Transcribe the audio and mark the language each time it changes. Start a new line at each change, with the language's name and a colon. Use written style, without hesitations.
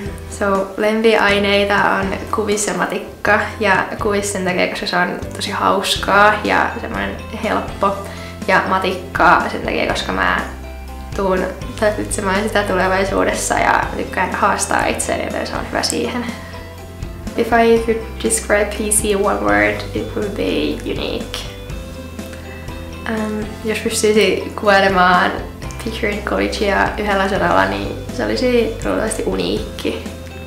Finnish: So lempiaineita on kuvis ja matikka. Ja kuvis sen takia, koska se on tosi hauskaa ja semmoinen helppo. Ja matikka sen takia, koska mä tuun tarvitsemaan sitä tulevaisuudessa ja tykkään haastaa itseäni, joten se on hyvä siihen.
English: If I could describe PC in one word, it would be unique.
Finnish: Jos pystyisi kuvailemaan Pickering Collegea yhdellä sanalla, niin se olisi todennäköisesti uniikki.